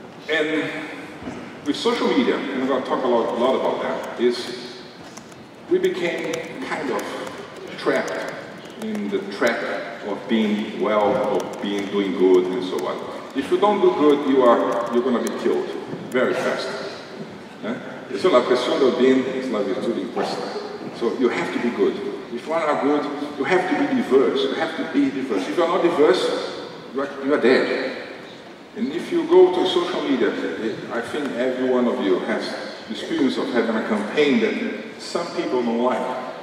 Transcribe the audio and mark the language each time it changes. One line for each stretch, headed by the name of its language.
English: And with social media, and I'm going to talk a lot about that, is we became kind of trapped in the trap of being well, of being doing good, and so on. If you don't do good, you're going to be killed very fast. Eh?
Spanish: So la persona del bien es la virtud impuesta.
English: So you have to be good. If you are good, you have to be diverse. You have to be diverse. If you are not diverse, you are dead. And if you go to social media, I think every one of you has the experience of having a campaign that some people don't like.